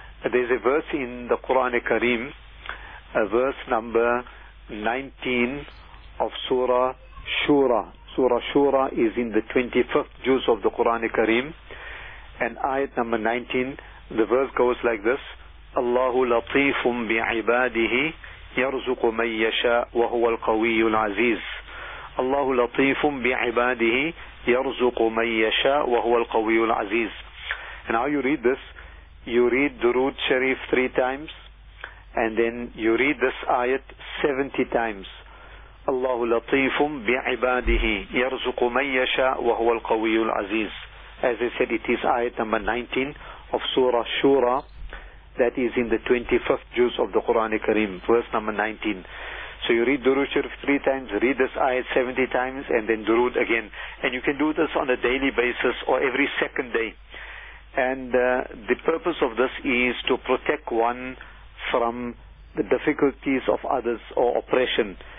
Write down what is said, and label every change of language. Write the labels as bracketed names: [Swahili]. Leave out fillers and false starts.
[English] There's a verse in the Quran Kareem, verse number 19 of Surah Shura. Surah Shura is in the 25th juz of the Quran Kareem, and ayat number 19, the verse goes like this: [Arabic] Allahu latifum bi'ibadihi يرزق من يشاء وهو القوي العزيز. الله لطيف بعباده يرزق من يشاء وهو القوي العزيز. [English] And how you read this? You read Durood Sharif 3 times, and then you read this ayat 70 times. [Arabic] الله لطيف بعباده يرزق من يشاء وهو القوي العزيز. [English] As I said, it is ayat number 19 of Surah Shura, that is in the 25th juz of the Quran Kareem, verse number 19. So you read Durood Sharif 3 times, read this ayat 70 times, and then Durood again. And you can do this on a daily basis or every second day. And the purpose of this is to protect one from the difficulties of others or oppression.